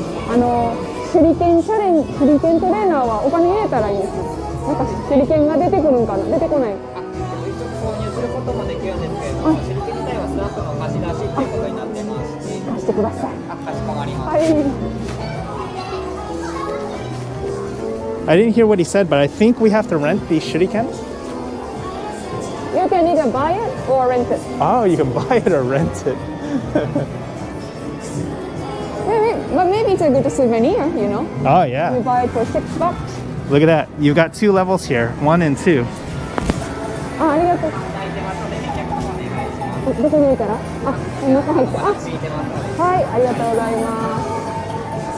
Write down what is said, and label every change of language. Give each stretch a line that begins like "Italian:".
Japanese: あの、手裏剣チャレン、手裏剣トレーナーはお金入れたらいいです。なんか手裏剣が出てくるんかな、出てこない。あ、購入することもできるんですけど、手裏剣自体はスナックの貸し出しっていうことになってまして。貸してください。あ、かしこまりました。はい。
English: I didn't hear what he said, but I think we have to rent these shuriken. You can either buy it or rent it. Oh, you can buy it or rent it. maybe it's a good souvenir, you know? Oh, yeah. You buy it for $6. Look at that. You've got two levels here, one and two. Ah, arigato.
Japanese: こっち見えたら、あ、中入った。ついてます。はい、ありがとうございます。